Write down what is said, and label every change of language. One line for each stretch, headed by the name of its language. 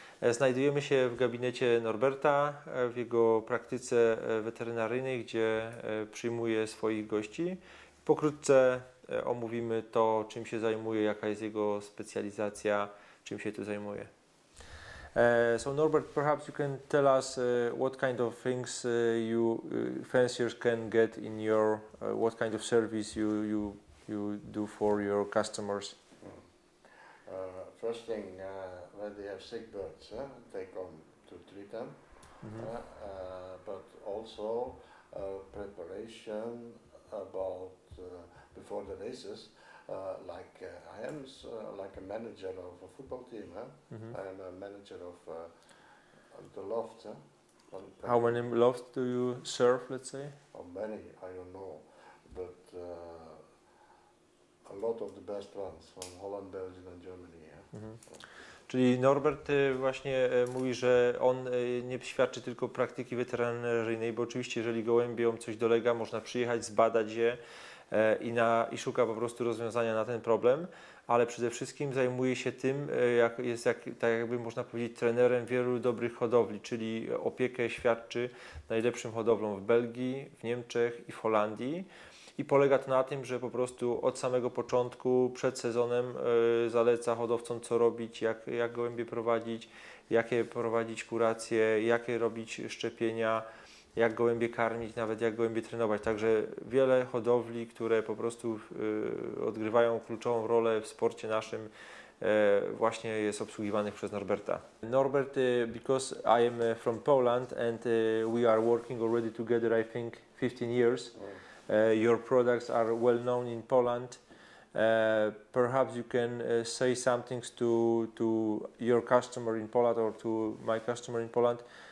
Polish: Znajdujemy się w gabinecie Norberta, w jego praktyce weterynaryjnej, gdzie przyjmuje swoich gości. Pokrótce omówimy to, czym się zajmuje, jaka jest jego specjalizacja, czym się tu zajmuje.
English: So Norbert, perhaps you can tell us what kind of things you fanciers can get in your what kind of service you do for your customers. First thing, when they have sick birds, they come to treat them. Mm-hmm. But also preparation about before the races, like I am like a manager of a football team. Mm-hmm. I am a manager of the loft. How many lofts do you serve, let's say? Oh, many, I don't know, but a lot of the best ones from Holland, Belgium and Germany.
Polish: Czyli Norbert właśnie mówi, że on nie świadczy tylko praktyki weterynaryjnej, bo oczywiście jeżeli gołębiom coś dolega, można przyjechać, zbadać je i szuka po prostu rozwiązania na ten problem, ale przede wszystkim zajmuje się tym, tak jakby można powiedzieć, trenerem wielu dobrych hodowli, czyli opiekę świadczy najlepszym hodowlom w Belgii, w Niemczech i w Holandii. I polega to na tym, że po prostu od samego początku, przed sezonem zaleca hodowcom, co robić, jak gołębie prowadzić, jakie prowadzić kuracje, jakie robić szczepienia, jak gołębie karmić, nawet jak gołębie trenować. Także wiele hodowli, które po prostu odgrywają kluczową rolę w sporcie naszym, właśnie jest obsługiwanych przez Norberta.
English: Norbert, because I am from Poland and we are working already together, I think, 15 years. Your products are well known in Poland. Perhaps you can say something to your customer in Poland or to my customer in Poland.